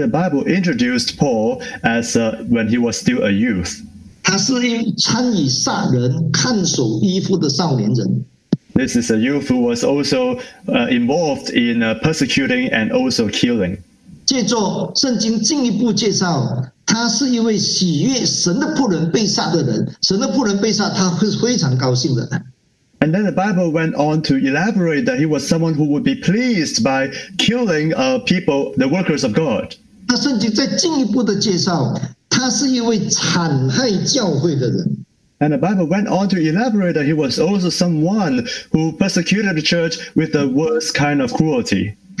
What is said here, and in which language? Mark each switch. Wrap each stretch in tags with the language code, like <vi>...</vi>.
<en>the Bible introduced Paul as when he was still a youth.</en> <zh>他是参与杀人、看守衣服的少年人。</zh> <en>This is a youth who was also involved in persecuting and also killing.</en> <zh>借助圣经进一步介绍，他是一位喜悦神的仆人被杀的人。神的仆人被杀，他是非常高兴的。</zh> <en>And then the Bible went on to elaborate that he was someone who would be pleased by killing people, the workers of God.</en> <zh>那圣经再进一步的介绍，他是一位残害教会的人。</zh> <en>And the Bible went on to elaborate that he was also someone who persecuted the church with the worst kind of cruelty.</en>